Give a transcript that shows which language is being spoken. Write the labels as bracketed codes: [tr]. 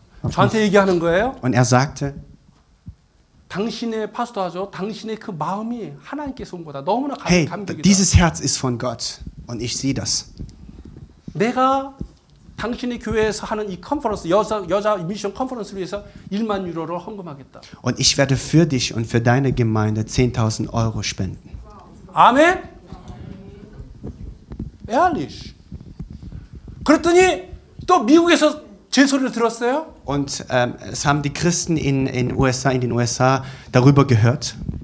[ko] 저한테 얘기하는 거예요? [de] Und er sagte: [ko] 당신의 파스터죠. 당신의 그 마음이 하나님께서 온 거다. 너무나 감격이다. [de] Hey, dieses Herz ist von Gott und ich sehe das. [ko] 내가 당신이 교회에서 하는 이 컨퍼런스 여자 미션 컨퍼런스를 위해서 1만 유로를 헌금하겠다. [de] Und ich werde für dich und für deine Gemeinde 10.000 Euro spenden. [ko] 아멘. 에알리시. 그랬더니 또 미국에서 제 소리를 들었어요? [de] Und es haben die Christen in USA in den USA darüber gehört.